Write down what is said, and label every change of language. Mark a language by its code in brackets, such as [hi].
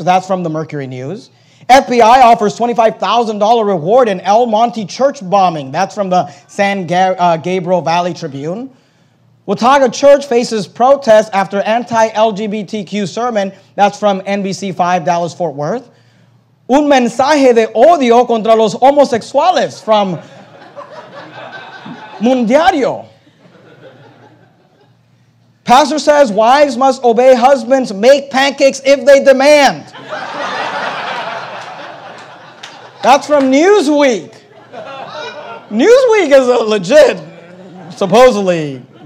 [en] That's from the Mercury News. FBI offers $25,000 reward in El Monte church bombing. That's from the San Gabriel Valley Tribune. Watauga church faces protest after anti-LGBTQ sermon. That's from NBC 5 Dallas-Fort Worth. [es] Un mensaje de odio contra los homosexuales [en] from [es] Mundiario. [en] Pastor says wives must obey husbands, make pancakes if they demand. That's from Newsweek. Newsweek is a legit, supposedly.